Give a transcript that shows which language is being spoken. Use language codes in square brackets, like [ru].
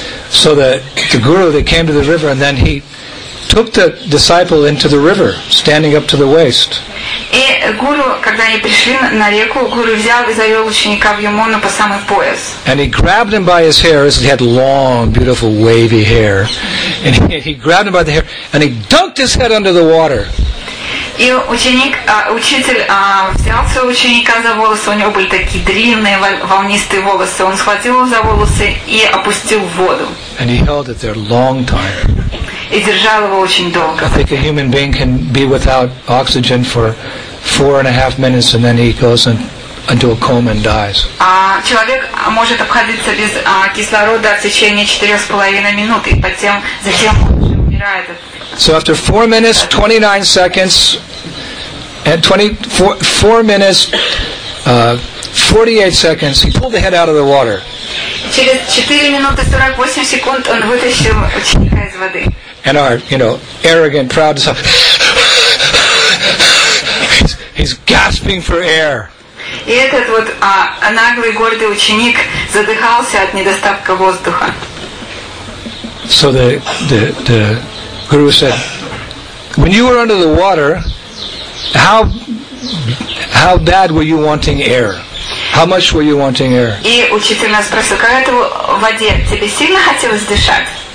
[en] So the guru, they came to the river and then he took the disciple into the river, standing up to the waist. [ru] И гуру, когда они пришли на реку, гуру взял и завел ученика в Ямуну по самый пояс. [en] And he grabbed him by his hair, as he had long, beautiful, wavy hair. And he grabbed him by the hair, and he dunked his head under the water. [ru] И ученик, учитель взял своего ученика за волосы, у него были такие длинные волнистые волосы. Он схватил его за волосы и опустил в воду. [en] And he held it there a long time. [ru] И держал его очень долго. [en] I think a human being can be without oxygen for 4.5 minutes and then he goes into a coma and dies. [ru] Человек может обходиться без кислорода в течение 4.5 минут и затем умирает. [en] So after 4 minutes, 29 seconds, and 4 minutes, 48 seconds, he pulled the head out of the water. [ru] Через 4 минуты 48 секунд он вытащил ученика из воды. [en] And our, you know, arrogant, proud self. He's gasping for air. [ru] И этот вот наглый, гордый ученик задыхался от недостатка воздуха. [en] So the guru said, "When you were under the water, how bad were you wanting air? How much were you wanting air?" [ru] И учитель нас спросил, как это в воде тебе сильно хотелось дышать?